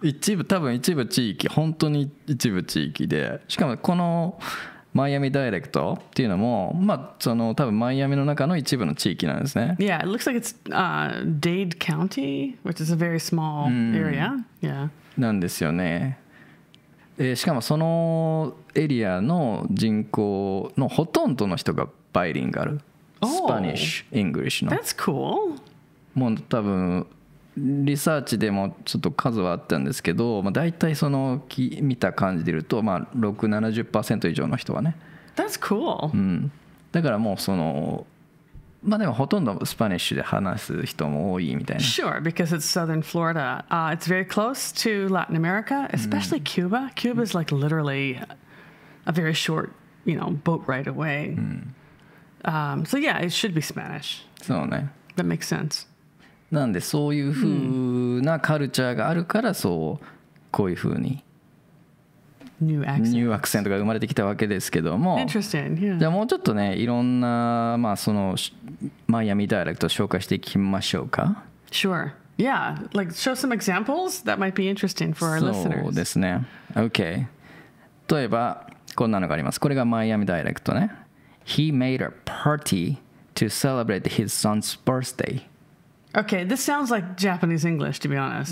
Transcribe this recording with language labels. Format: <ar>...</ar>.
<ja>一部、多分一部地域、本当に一部地域で。しかもこのマイアミダイレクトっていうのも、まあ、その多分マイアミの中の一部の地域なんですね。</ja> <en>Yeah, it looks like it's Dade County, which is a very small area. Yeah.</en> <ja>なんですよね。しかもそのエリアの人口のほとんどの人がバイリンガル、スパニッシュ、イングリッシュの。</ja> <en>That's cool.</en> <ja>もう多分リサーチでもちょっと数はあったんですけど、まあ、大体その見た感じで言うと、まあ、60-70% 以上の人はね。</ja> <en>That's cool.</en> <ja>だからもうその、まあでもほとんどスパニッシュで話す人も多いみたいな。</ja> <en>Sure, because it's southern Florida. It's very close to Latin America, especially Cuba. Cuba is like literally a very short, you know, boat ride away. So yeah, it should be Spanish.</en> <ja>そうね。</ja> <en>That makes sense.</en> <ja>なんでそういう風なカルチャーがあるからそうこういう風にニューアクセントが生まれてきたわけですけども、じゃあもうちょっとねいろんな、まあ、そのマイアミダイレクト紹介していきましょうか。</ja> <en>Sure. Yeah. Like show some examples that might be interesting for our listeners.</en> <ja>そうですね。OK. 例えばこんなのがあります。これがマイアミダイレクトね。</ja> <en>He made a party to celebrate his son's birthday. Okay, this sounds like Japanese English, to be honest.</en>